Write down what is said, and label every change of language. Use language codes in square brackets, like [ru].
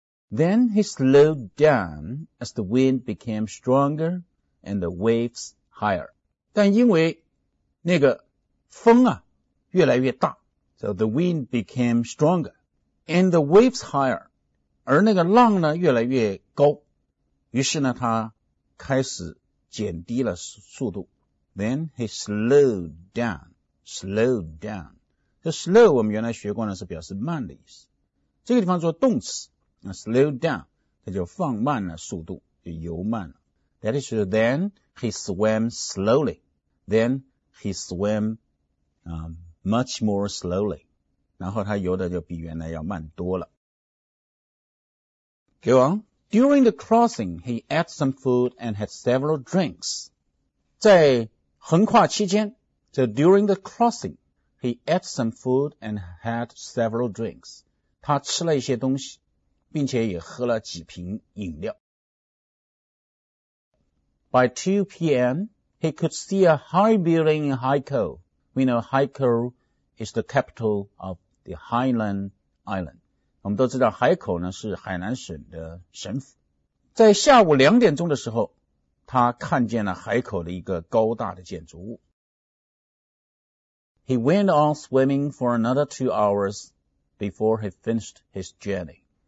[en] Then he slowed down as the wind became stronger and the waves higher. [zh] 但因为那个风啊越来越大 [en] ，so the wind became stronger and the waves higher， [zh] 而那个浪呢越来越高，于是呢他开始减低了速度。 [en] Then he slowed down, slowed down. [zh] 这 slow 我们原来学过呢是表示慢的意思，这个地方做动词。 [en] Slow down, [zh] 他就放慢了速度，就游慢了。 [en] That is true. Then he swam slowly. Then he swam, much more slowly. [zh] 然后他游的就比原来要慢多了。给王 [en] During the crossing, he ate some food and had several drinks. [zh] 在横跨期间 [en] So during the crossing, he ate some food and had several drinks. [zh] 他吃了一些东西并且也喝了几瓶饮料。 [en] By 2 p.m., he could see a high building in Haikou. We know Haikou is the capital of the Hainan Island. [zh] 我们都知道海口呢是海南省的省府。在下午两点钟的时候，他看见了海口的一个高大的建筑物。 [en] He went on swimming for another 2 hours before he finished his journey.